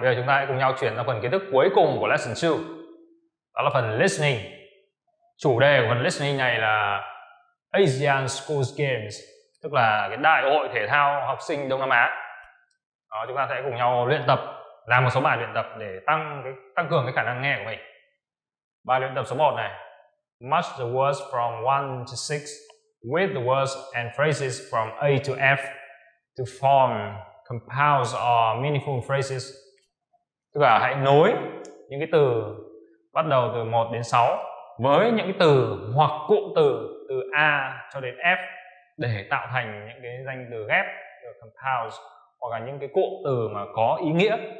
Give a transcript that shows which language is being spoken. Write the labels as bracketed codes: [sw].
[vi] Bây giờ chúng ta hãy cùng nhau chuyển sang phần kiến thức cuối cùng của Lesson 2. Đó là phần Listening. Chủ đề của phần Listening này là ASEAN Schools Games, tức là cái đại hội thể thao học sinh Đông Nam Á. Đó, chúng ta sẽ cùng nhau luyện tập, làm một số bài luyện tập để tăng cường cái khả năng nghe của mình. Bài luyện tập số 1 này. [en] Match the words from 1 to 6 with the words and phrases from A to F to form compounds or meaningful phrases. [vi] Tức là hãy nối những cái từ bắt đầu từ 1 đến 6 với những cái từ hoặc cụm từ từ A cho đến F để tạo thành những cái danh từ ghép, từ compounds, hoặc là những cái cụm từ mà có ý nghĩa.